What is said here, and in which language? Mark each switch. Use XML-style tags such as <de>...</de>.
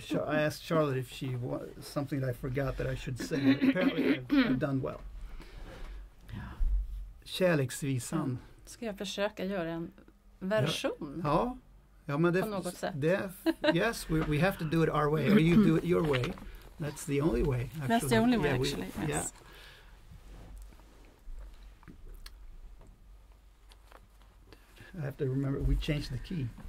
<en>I asked Charlotte if she was something that I forgot that I should say. Apparently I've done well.</en> <sv>Kärleksvisan. Ska jag försöka göra en version? Ja. Ja, men på något sätt.</sv> <en>Yes, we have to do it our way. Or you do it your way. That's the only way. Actually. That's the only way, yeah, actually. We, yes. Yeah. I have to remember, we changed the key.</en>